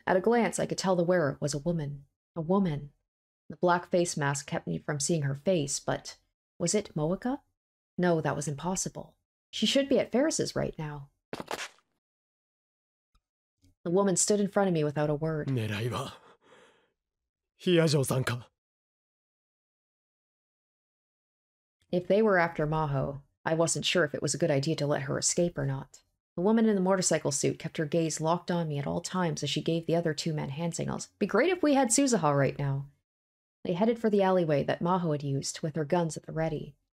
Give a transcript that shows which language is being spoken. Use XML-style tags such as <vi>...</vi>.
<en>At a glance, I could tell the wearer was a woman. A woman. The black face mask kept me from seeing her face, but was it Moika? No, that was impossible. She should be at Ferris's right now. The woman stood in front of me without a word.</en> <ja>狙いは、ヒヤジョーさんか?</ja> <en>If they were after Maho, I wasn't sure if it was a good idea to let her escape or not. The woman in the motorcycle suit kept her gaze locked on me at all times as she gave the other two men hand signals. Be great if we had Suzuha right now. They headed for the alleyway that Maho had used, with her guns at the ready.</en>